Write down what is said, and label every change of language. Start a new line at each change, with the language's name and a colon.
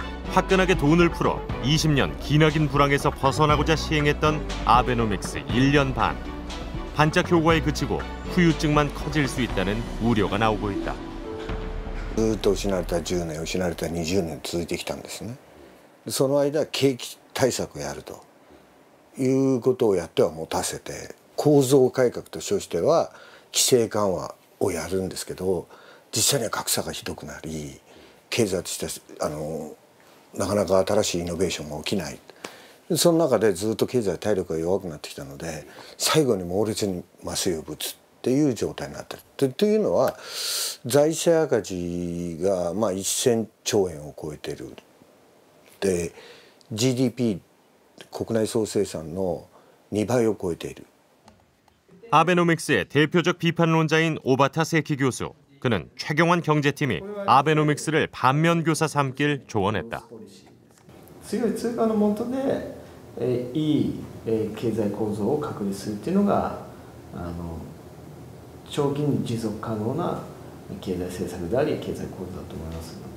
Korean: 화끈하게 돈을 풀어 20년 기나긴 불황에서 벗어나고자 시행했던 아베노믹스 1년 반. 반짝 효과에 그치고 후유증만 커질 수 있다는 우려가 나오고 있다.
Japanese: 失われた10年、失われた20年続いてきたんですね。その間景気 対策をやるということをやっては持たせて、構造改革としてはを規制緩和をやるんですけど、実際には格差がひどくなり、経済としてなかなか新しいイノベーションが起きない。その中でずっと経済体力が弱くなってきたので、最後に猛烈に麻酔を打つっていう状態になってる。というのは財政赤字が1000兆円を超えてる。で、 GDP 国内総生産の2倍を超えている。
Korean: 아베노믹스의 대표적 비판론자인 오바타 세키 교수. 그는 최경환 경제팀이 아베노믹스를 반면 교사 삼길 조언했다.
Japanese: 強い 通貨のもとで いい経済構造を確立するっていうのが 長期に持続可能な経済政策であり経済構造だと思います。